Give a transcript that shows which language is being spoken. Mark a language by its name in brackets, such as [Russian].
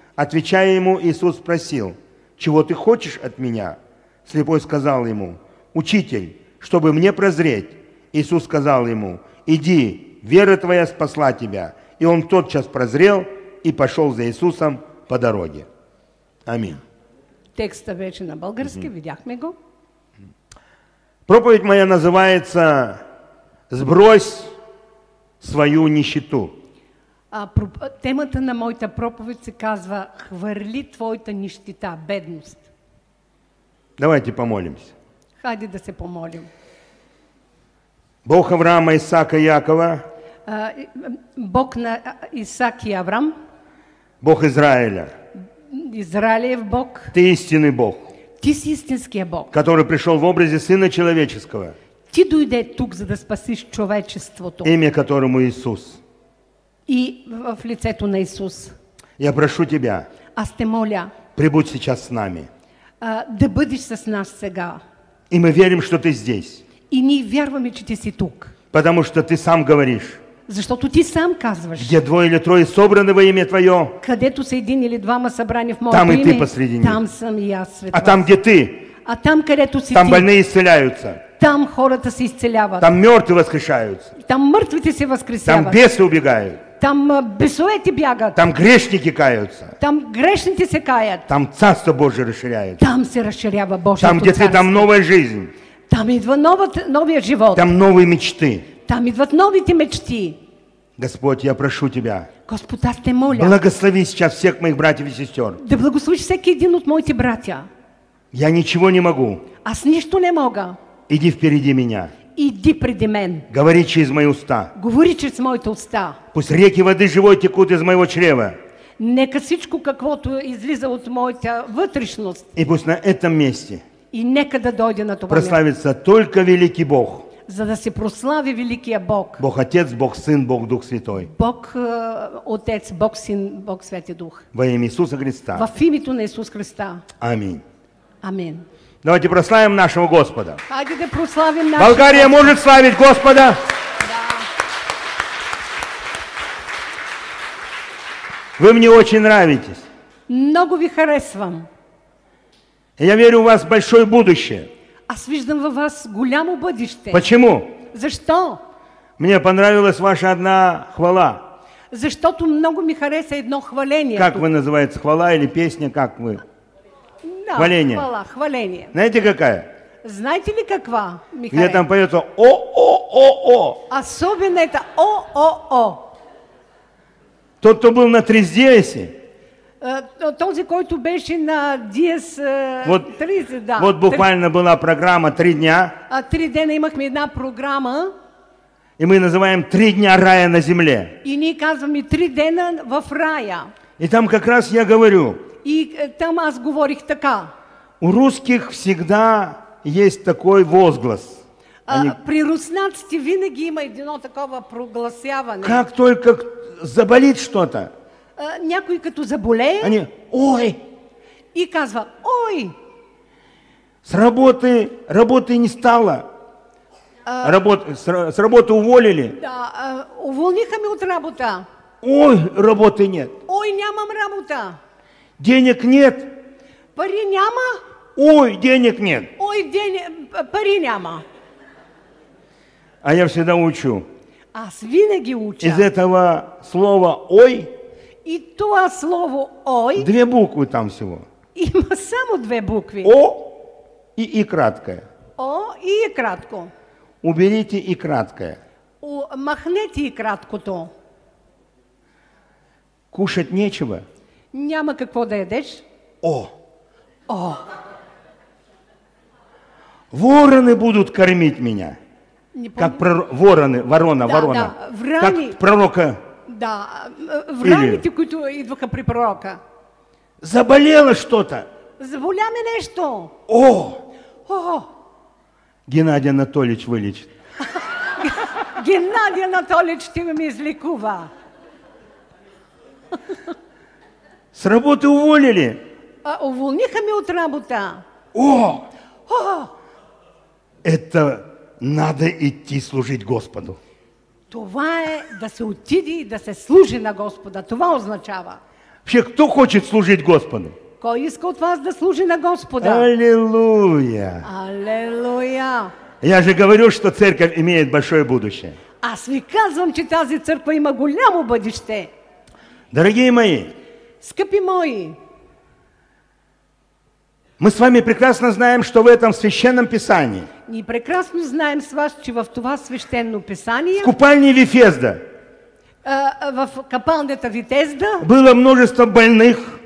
[Russian] Отвечая ему, Иисус спросил: «Чего ты хочешь от меня?» Слепой сказал ему: «Учитель, чтобы мне прозреть!» Иисус сказал ему: «Иди, вера твоя спасла тебя!» И он тотчас прозрел и пошел за Иисусом по дороге. Аминь. [Bulgarian] Текст вече на български, видяхме го. [Russian] Проповедь моя называется «Сбрось свою нищету». [Bulgarian] Темата на моята проповедь се казва «Хвърли твоята нищета, бедност». [Russian] Давайте помолимся. [Bulgarian] Хайде да се помолим. [Russian] Бог Авраама, Исаака и Якова. [Bulgarian] Бог на Исаак и Авраам. [Russian] Бог Израиля. [Bulgarian] Израилев Бог. [Russian] Ты истинный Бог. [Bulgarian] Ты си истинския Бог. [Russian] Который пришел в образе Сына Человеческого. [Bulgarian] Ты дойде тук, за да спасиш човечеството. [Russian] Имя которому Иисус. [Bulgarian] И в лицето на Иисус. [Russian] Я прошу тебя. [Bulgarian] Аз те моля. [Russian] Прибудь сейчас с нами. [Bulgarian] Да бъдеш с нас сега. [Russian] И мы верим, что ты здесь. [Bulgarian] И ние вярваме, че ти си тук. [Russian] Потому что ты сам говоришь. [Bulgarian] Защото ти сам казваш. [Russian] Где двое или трое собраны во имя Твое. [Bulgarian] Където са един или двама събрани в моето там име. [Russian] Там и ты посреди них. [Bulgarian] Там съм и аз, [Russian] свят. А там, где ты. [Bulgarian] А там, където си там ти. [Russian] Больные исцеляются. [Bulgarian] Там хората се исцеляват. [Russian] Там мертвые воскрешаются. [Bulgarian] Там мертвите се воскресяват. [Russian] Там бесы убегают. [Bulgarian] Там бесовете бягат. [Russian] Там грешники каются. [Bulgarian] Там грешники се каят. [Russian] Там царство Божие расширяется. [Bulgarian] Там се расширява Божие. [Russian] Там, где ты, там новая жизнь. [Bulgarian] Там идва новия живот. [Russian] Там новые мечты. [Bulgarian] Там идват новите мечти. [Russian] Господь, я прошу тебя. [Bulgarian] Господь, аз те моля. [Russian] Благослови сейчас всех моих братьев и сестер. [Bulgarian] Да благослови всеки един от моите братья. [Russian] Я ничего не могу. [Bulgarian] Аз нищо не мога. [Russian] Иди впереди меня. [Bulgarian] Иди преди мен. [Russian] Говори через мои уста. [Bulgarian] Говори через моите уста. [Russian] Пусть реки воды живой текут из моего чрева. [Bulgarian] Нека всичко каквото излиза от моята вътрешност. [Russian] И пусть на этом месте. [Bulgarian] И нека да дойде на това. [Russian] Прославится только великий Бог. [Bulgarian] За да се прослави великия Бог. [Russian] Бог Отец, Бог Сын, Бог Дух Святой. [Bulgarian] Бог Отец, Бог Син, Бог Святий Дух. [Russian] Во имя Иисуса Христа. [Bulgarian] В името на Иисус Христа. [Russian] Аминь. [Bulgarian] Аминь. [Russian] Давайте прославим нашего Господа. [Bulgarian] Хайде да прославим нашего. [Russian] Болгария может славить Господа. [Bulgarian] Да. [Russian] Вы мне очень нравитесь. [Bulgarian] Много ви харесвам. [Russian] Я верю, у вас большое будущее. [Bulgarian] Аз виждам във вас голямо бъдеще. [Russian] Почему? [Bulgarian] Защо? [Russian] Мне понравилась ваша одна хвала. [Bulgarian] Защото много ми хареса едно хваление. [Russian] Как вы называете? Хвала или песня? Как вы? [Bulgarian] Да, хваление. Хвала, хваление. [Russian] Знаете, какая? [Bulgarian] Знаете ли каква, Михаил? [Russian] Где там поется «О-о-о-о». Особенно это «О-о-о». Тот, кто был на Трездиесе. [Bulgarian] Този, който беше на Диас 30, да. [Russian] Вот буквально была программа «Три дня». [Bulgarian] Три дня имахме една программа. [Russian] И мы называем «Три дня рая на земле». [Bulgarian] И ние казваме «Три дня в рая». [Russian] И там как раз я говорю. [Bulgarian] И там аз говорих така. [Russian] У русских всегда есть такой возглас. [Bulgarian] При руснаците винаги има едно такова прогласяване. [Russian] Как только заболит что-то. [Bulgarian] Някой като заболее. [Russian] Они, ой. [Bulgarian] И казва, ой. [Russian] С работы, работы не стало. С работы уволили. [Bulgarian] Да, уволниха ме от работа. [Russian] Ой, работы нет. [Bulgarian] Ой, нямам работа. [Russian] Денег нет. [Bulgarian] Пари няма. [Russian] Ой, денег нет. [Bulgarian] Ой, пари няма. [Russian] А я всегда учу. [Bulgarian] А свинаги учат. [Russian] Из этого слова ой. [Bulgarian] И то слово ой. [Russian] Две буквы там всего. [Bulgarian] Има само две буквы. [Russian] О и краткое. [Bulgarian] О и кратко. [Russian] Уберите и краткое. [Bulgarian] Махнете и краткото. [Russian] Кушать нечего. [Bulgarian] Няма какво да едеш. О. О. [Russian] Вороны будут кормить меня. Как вороны, ворона, да, ворона. [Bulgarian] Да, врани, как пророка. Да, враните, които идваха при пророка. [Russian] Заболело что-то. [Bulgarian] Заболя ме нещо. О! О! [Russian] Геннадий Анатольевич вылечит. [Bulgarian] Геннадий Анатольевич тебе излекува. [Russian] С работы уволили. [Bulgarian] Уволниха ме от работа. О! О! [Russian] Это... Надо идти служить Господу. [Bulgarian] Това е да се отиди и да се служи на Господа. Това означава. [Russian] Вообще, кто хочет служить Господу? [Bulgarian] Кой иска от вас да служи на Господа? Аллилуйя! Аллилуйя! [Russian] Я же говорю, что церковь имеет большое будущее. [Bulgarian] Аз ви казвам, че тази църква има голямо бъдеще. [Russian] Дорогие мои! [Bulgarian] Скъпи мои! [Russian] Мы с вами прекрасно знаем, что в этом священном писании. [Bulgarian] Не прекрасно знаем с вас, что в това [Russian] священное писание. В купальне Вифезда. [Bulgarian] В капалнята Витезда. [Russian] Было множество больных.